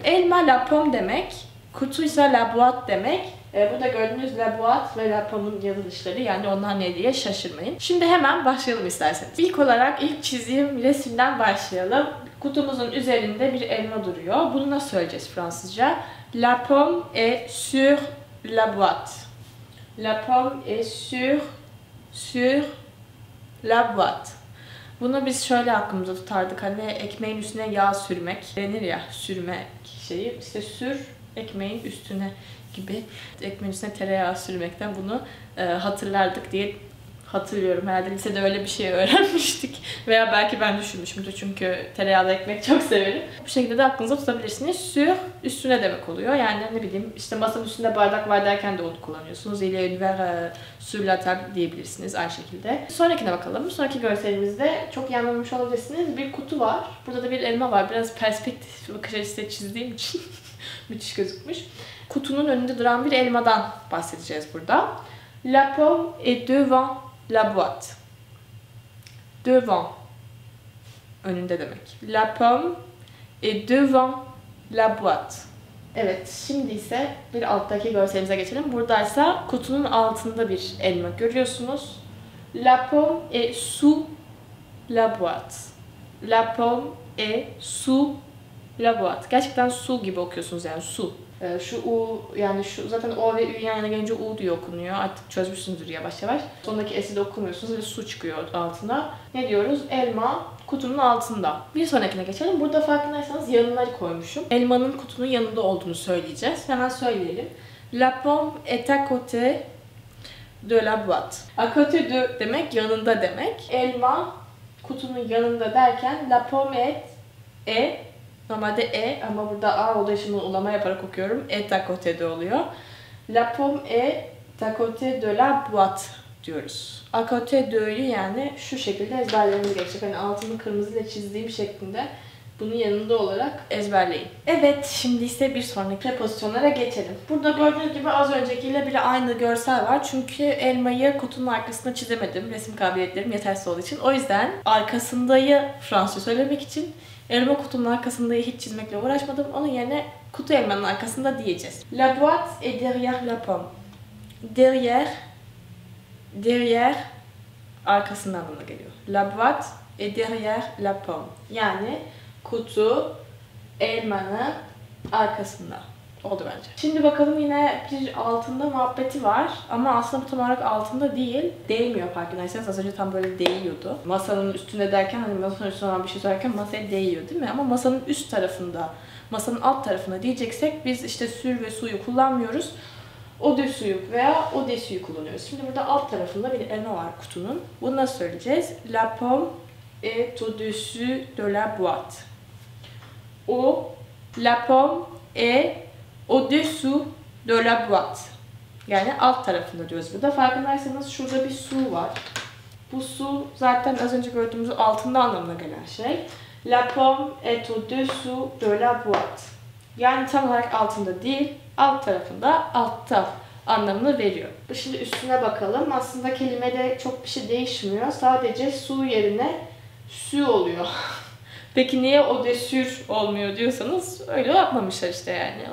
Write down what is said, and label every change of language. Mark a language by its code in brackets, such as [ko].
[tr] Elma [fr] la pomme [tr] demek, kutuysa [fr] la boîte [tr] demek. Burada gördüğünüz [fr] la boîte [tr] ve [fr] la pomme'un [tr] yazılışları, yani onlar ne diye şaşırmayın. Şimdi hemen başlayalım isterseniz. İlk olarak ilk çizim resimden başlayalım. Kutumuzun üzerinde bir elma duruyor. Bunu nasıl söyleyeceğiz Fransızca? [fr] La pomme est sur la boîte. La pomme est sur la boîte. [tr] Bunu biz şöyle aklımıza tutardık. Hani ekmeğin üstüne yağ sürmek denir ya, sürmek şeyi. İşte sür ekmeğin üstüne gibi. Ekmeğin üstüne tereyağı sürmekten bunu hatırlardık diye hatırlıyorum. Herhalde lisede öyle bir şey öğrenmiştik. Veya belki ben düşünmüşümdür çünkü tereyağlı ekmek çok severim. Bu şekilde de aklınıza tutabilirsiniz. Sur üstüne demek oluyor. Yani ne bileyim işte masanın üstünde bardak var derken de onu kullanıyorsunuz. [fr] Il est ouvert sur la table [tr] diyebilirsiniz aynı şekilde. Sonrakine bakalım. Sonraki görselimizde çok iyi anlamış olabilirsiniz. Bir kutu var. Burada da bir elma var. Biraz perspektif bakış açısıyla çizdiğim için müthiş gözükmüş. Kutunun önünde duran bir elmadan bahsedeceğiz burada. [fr] La pomme est devant la boîte. Devant. [tr] Önünde demek. [fr] La pomme est devant la boîte. [tr] Evet, şimdi ise bir alttaki görselimize geçelim. Buradaysa kutunun altında bir elma görüyorsunuz. [fr] La pomme est sous la boîte. La pomme est sous la boîte. [tr] Gerçekten su gibi okuyorsunuz yani, su. Şu U, yani şu zaten O ve Ü yan yana gelince U diye okunuyor. Artık çözmüşsünüzdür yavaş yavaş. Sondaki S'i de okumuyorsunuz ve su çıkıyor altına. Ne diyoruz? Elma kutunun altında. Bir sonrakine geçelim. Burada farkındaysanız yanına koymuşum. Elmanın kutunun yanında olduğunu söyleyeceğiz. Hemen söyleyelim. [fr] La pomme est à côté de la boîte. À côté de [tr] demek yanında demek. Elma kutunun yanında derken [fr] la pomme est [tr] normalde E ama burada A olduğu için ulama yaparak okuyorum. [fr] Et à côté de [tr] oluyor. [fr] La pomme est à côté de la boîte [tr] diyoruz. [fr] À côté de'yi [tr] yani şu şekilde ezberlerimiz geçecek. Hani altını kırmızıyla çizdiğim şeklinde bunun yanında olarak ezberleyin. Evet, şimdi ise bir sonraki prepozisyonlara geçelim. Burada gördüğünüz gibi az öncekiyle bile aynı görsel var. Çünkü elmayı kutunun arkasına çizemedim. Resim kabiliyetlerim yetersiz olduğu için. O yüzden arkasındayı Fransızca söylemek için elma kutunun arkasındayı hiç çizmekle uğraşmadım. Onun yerine kutu elmanın arkasında diyeceğiz. [fr] La boîte est derrière la pomme. [tr] Derrière arkasından anlamına geliyor. [fr] La boîte est derrière la pomme. [tr] Yani kutu elmanın arkasında. Oldu bence. Şimdi bakalım, yine bir altında muhabbeti var. Ama aslında bu tam olarak altında değil. Değmiyor farkındaysanız. Az önce tam böyle değiyordu. Masanın üstünde derken, hani masanın üstünde olan bir şey söylerken masaya değiyor değil mi? Ama masanın üst tarafında, masanın alt tarafında diyeceksek biz işte sur ve suyu kullanmıyoruz. Eau de suyu veya eau de suyu kullanıyoruz. Şimdi burada alt tarafında bir elma var kutunun. Bunu nasıl söyleyeceğiz? [fr] La pomme est au-dessus de la boîte. O, la pomme est au-dessous de la boîte. [tr] Yani alt tarafında diyoruz burada. Farkındaysanız şurada bir su var. Bu su zaten az önce gördüğümüz altında anlamına gelen şey. [fr] La pomme est au-dessous de la boîte. [tr] Yani tam olarak altında değil, alt tarafında, altta anlamını veriyor. Şimdi üstüne bakalım. Aslında kelimede çok bir şey değişmiyor. Sadece su yerine su oluyor. Peki niye o de sur olmuyor diyorsanız, öyle yapmamışlar işte yani.